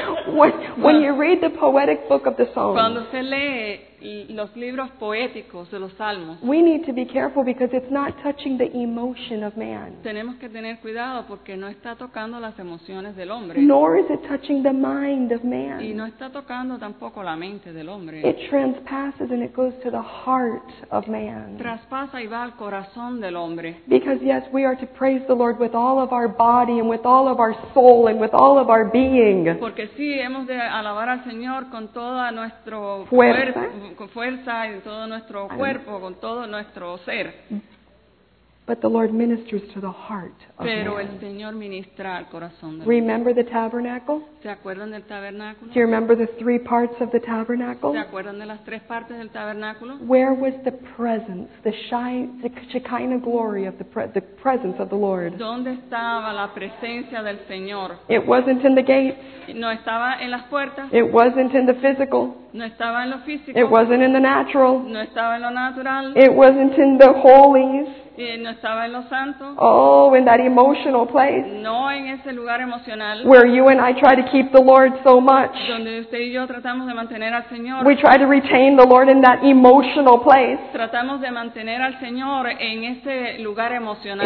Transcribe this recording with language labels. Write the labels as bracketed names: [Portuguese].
[English] When you read the poetic book of the Psalms, [Spanish] cuando se lee los libros poéticos de los Salmos, [English] we need to be careful because it's not touching the emotion of man. [Spanish] Tenemos que tener cuidado porque no está tocando las emociones del hombre. [English] Nor is it touching the mind of man. [Spanish] Y no está tocando tampoco la mente del hombre. [English] It transpasses and it goes to the heart of man. [Spanish] Traspasa y va al corazón del hombre. [English] Because yes, we are to praise the Lord with all of our body and with all of our soul and with all of our being. [Spanish] Porque sí, hemos de alabar al Señor con todo nuestro cuerpo. Con fuerza en todo nuestro cuerpo, con todo nuestro ser. [English] But the Lord ministers to the heart of man. [Spanish] Pero el Señor ministra al corazón de. [English] Remember the tabernacle? [Spanish] ¿Se acuerdan del tabernáculo? [English] Do you remember the three parts of the tabernacle? [Spanish] ¿Se acuerdan de las tres partes del tabernáculo? [English] Where was the presence, the Shekinah glory of the presence of the Lord? [Spanish] ¿Dónde estaba la presencia del Señor? [English] It wasn't in the gates. [Spanish] No estaba en las puertas. [English] It wasn't in the physical. [Spanish] No estaba en lo físico. [English] It wasn't in the natural. [Spanish] No estaba en lo natural. [English] It wasn't in the holies. [Spanish] No estaba en los santos. [English] Oh, in that emotional place. [Spanish] No en ese lugar emocional. [English] Where you and I try to keep the Lord so much. [Spanish] Donde usted y yo tratamos de mantener al Señor. [English] We try to retain the Lord in that emotional place. [Spanish] Tratamos de mantener al Señor en ese lugar emocional.